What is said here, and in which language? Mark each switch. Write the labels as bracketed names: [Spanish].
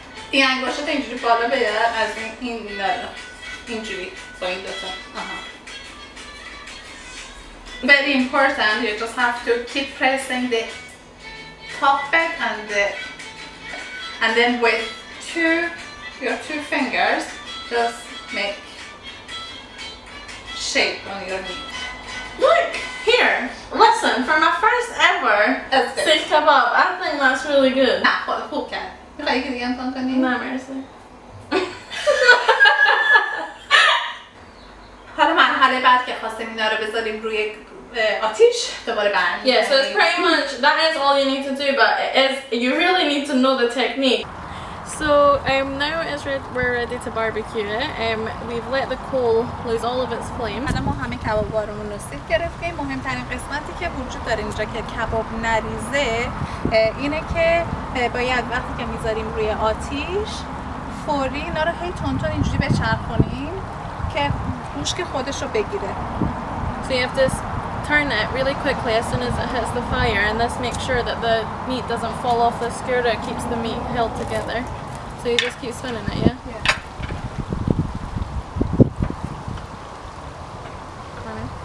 [Persian] این انگوشت اینجوری بالا بیار از این اینجوری با این دوتا. [English] Very important, you just have to keep pressing the top bit and then with your two fingers just make shape on your knee. Look here, listen, for my first ever sikh kebab, I think that's really good. Nah, for the whole cat. Like the Anton Kani? No, mercy. [Persian] حالا مرحله بعد که خواستیم اینا رو بذاریم روی آتیش دوباره برمیگردیم. [English] Yeah, so it's pretty much that is all you need to do, but it is, you really need to know the technique. So now it's we're ready to barbecue it. We've let the coal lose all of its flame. [Persian] حالا ما همه کبابارمون رو سیخ گرفتیم. مهمترین قسمتی که وجود داره اینجا که کباب نریزه اینه که باید وقتی که میذاریم روی آتیش فوری اینا رو هی تون تون اینجوری بچرخونیم که مشک خودش رو بگیره. [English] So you have to turn it really quickly as soon as it hits the fire, and this makes sure that the meat doesn't fall off the skewer. It keeps the meat held together. So you just keep spinning it, yeah? Yeah.